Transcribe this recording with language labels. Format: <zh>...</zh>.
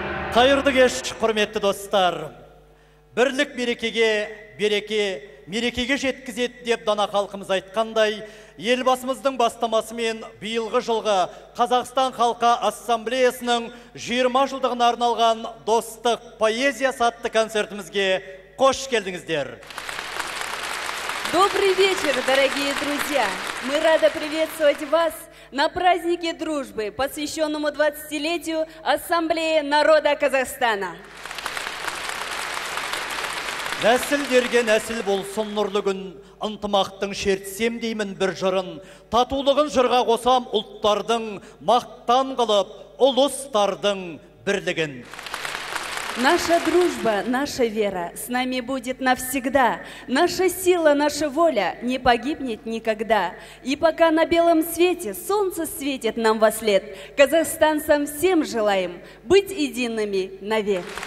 <kk>Қайырды кеш, құрметті достар. Бірлік мерекеге, береке, мерекеге жеткізет деп дана халқымыз айтқандай, елбасымыздың бастамасымен биылғы жылғы Қазақстан халқы ассамблеясының 20 жылдығына арналған достық поэзия сатты концертімізге қош келдіңіздер.</kk> <ru>Добрый вечер, дорогие друзья! Мы рады приветствовать вас на празднике дружбы, посвященному 20-летию Ассамблеи народа Казахстана.</ru> <kk>Нәсілдерге нәсіл болсын нұрлы күн, ынтымақтың шертсем деймін бір жырын, татулығын жырға қосам ұлттардың, мақтан қылып ұлыстардың бірлігін.</kk> <ru>Наша дружба, наша вера с нами будет навсегда. Наша сила, наша воля не погибнет никогда. И пока на белом свете солнце светит нам во след, казахстанцам всем желаем быть едиными навек.</ru>